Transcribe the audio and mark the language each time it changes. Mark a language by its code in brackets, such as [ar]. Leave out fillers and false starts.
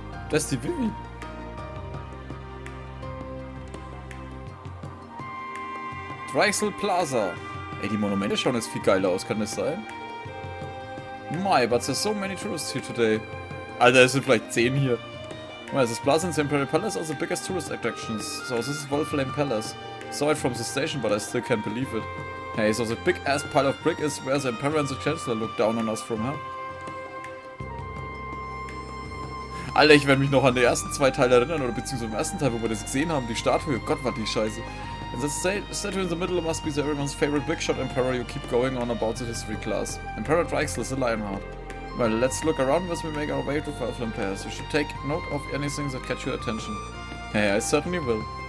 [de] Das ist die Vivi. Drexel Plaza. Ey, die Monumente schauen jetzt viel geiler aus, kann das sein? [en] My, but there's so many tourists here today. [de] Alter, es sind vielleicht 10 hier. [en] Well, this Plaza and the Imperial Palace are the biggest tourist attractions. So, this is Wolflame Palace. Saw it from the station, but I still can't believe it. Hey, so the big ass pile of brick is where the Emperor and the Chancellor look down on us from her. [de] Alter, ich werde mich noch an die ersten zwei Teile erinnern, oder beziehungsweise im ersten Teil, wo wir das gesehen haben, die Statue. Gott, war die Scheiße. [en] And that statue in the middle must be the everyone's favorite big shot emperor you keep going on about the history class. Emperor Drexel is a Lionheart. Well, let's look around as we make our way to Wolfland Pass. You should take note of anything that catch your attention. Hey, I certainly will.